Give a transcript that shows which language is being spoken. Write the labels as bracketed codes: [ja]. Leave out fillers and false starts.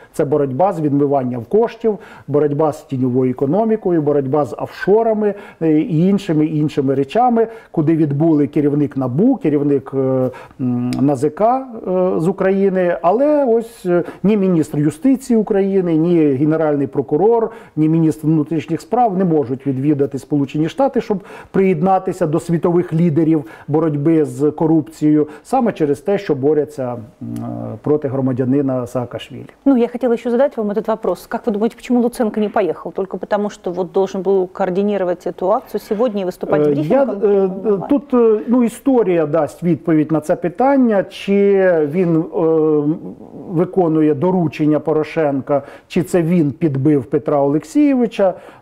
[uk] Це боротьба з відмиванням коштів, боротьба з тіньовою економікою, боротьба з офшорами і іншими речами, куди відбули керівник НАБУ, керівник НАЗК з України, але ось ні міністр юстиції України, ні генеральний прокурор, ні міністр внутрішніх справ не можуть відвідати Сполучені Штати, щоб приєднатися до світових лідерів боротьби з корупцією, саме через те, що борються проти громадянина Саакашвілі. [ru] Ну, [uk] я хотіла [ru] еще задать вам этот вопрос. Как вы думаете, почему Луценко не поехал? Только потому, что вот должен был координировать эту акцию сегодня и выступать в брифингах? [uk] Тут, ну, [ru] история [uk] дасть відповідь на це питання, чи він виконує доручення Порошенка, чи це він підбив Петра Олексійовича.